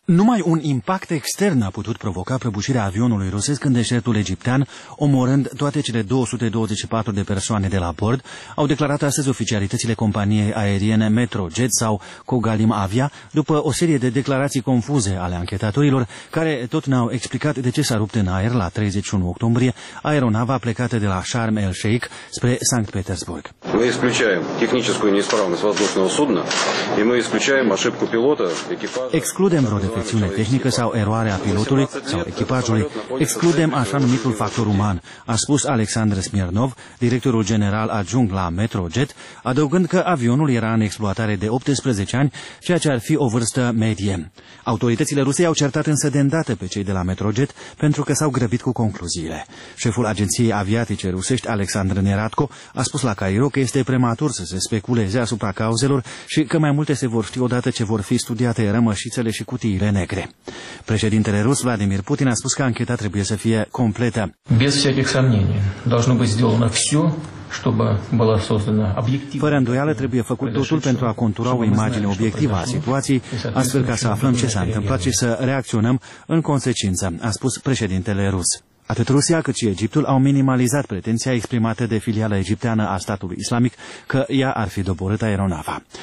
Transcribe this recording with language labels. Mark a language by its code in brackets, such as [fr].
[ro] Numai un impact extern a putut provoca prăbușirea avionului rusesc în deșertul egiptean, omorând toate cele 224 de persoane de la bord, au declarat astăzi oficialitățile companiei aeriene Metrojet sau Kogalim Avia, după o serie de declarații confuze ale anchetatorilor, care tot n-au explicat de ce s-a rupt în aer la 31 octombrie aeronava plecată de la Sharm el-Sheikh spre Sankt Petersburg. [ru] Мы исключаем техническую неисправность воздушного судна и мы исключаем ошибку пилота, экипажа. [ro] Excludem vreo defecțiune tehnică sau eroare a pilotului sau echipajului. Excludem așa numitul factor uman, a spus Alexandre Smirnov, directorul general adjunct la Metrojet, adăugând că avionul era în exploatare de 18 ani, ceea ce ar fi o vârstă medie. Autoritățile ruse au certat însă de îndată pe cei de la Metrojet pentru că s-au grăbit cu concluziile. Șeful agenției aviatice rusești Alexandre Neratko a spus la Cairo că este prematur să se speculeze asupra cauzelor și că mai multe se vor ști odată ce vor fi studiate rămășițele și cutiile negre. Președintele rus Vladimir Putin a spus că ancheta trebuie să fie completă. [ru] Без всяких сомнений, должно быть сделано всё, чтобы была создана объективная. [ro] Fără îndoială trebuie făcut totul pentru a contura o imagine obiectivă a situației, astfel ca să aflăm ce s-a întâmplat și să reacționăm în consecință, a spus președintele rus. Atât Rusia cât și Egiptul au minimalizat pretenția exprimată de filiala egipteană a statului islamic că ea ar fi doborât aeronava.